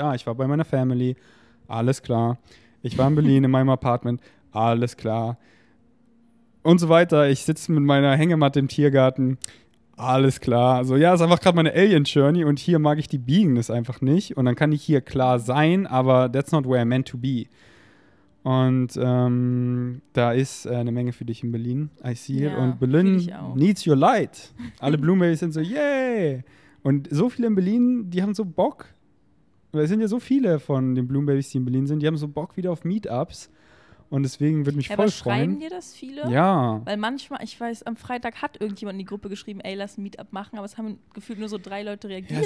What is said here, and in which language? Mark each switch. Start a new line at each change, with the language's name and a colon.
German: Ah, ich war bei meiner Family, alles klar. Ich war in Berlin in meinem Apartment, alles klar. Und so weiter. Ich sitze mit meiner Hängematte im Tiergarten, alles klar. So, ja, ist einfach gerade meine Alien-Journey und hier mag ich die Biegen das einfach nicht. Und dann kann ich hier klar sein, aber
English: that's not where I'm meant to be.
German: Und da ist eine Menge für dich in Berlin.
English: I see it.
German: Und
English: Berlin needs your light.
German: Alle Blumenbabys sind so, yay. Und so viele in Berlin, die haben so Bock. Es sind ja so viele von den Blumenbabys, die in Berlin sind, die haben so Bock wieder auf Meetups. Und deswegen würde mich voll freuen. Schreiben dir das viele? Ja. Weil manchmal, ich weiß, am Freitag hat irgendjemand in die Gruppe geschrieben, ey, lass ein Meetup machen, aber es haben gefühlt nur so 3 Leute reagiert. Ja,